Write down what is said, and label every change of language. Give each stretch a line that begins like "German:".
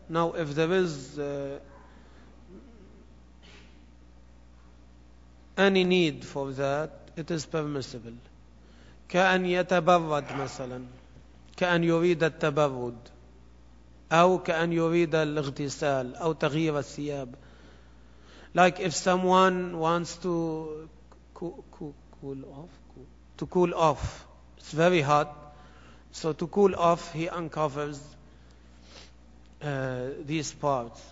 English: Now if there is any need for that, it is permissible.
Arabic: كأن يتبرد مثلا, كأن يريد التبرد, أو كأن يريد الاغتسال أو تغيير الثياب.
English: Like if someone wants to cool off, it's very hot, so to cool off he uncovers these parts.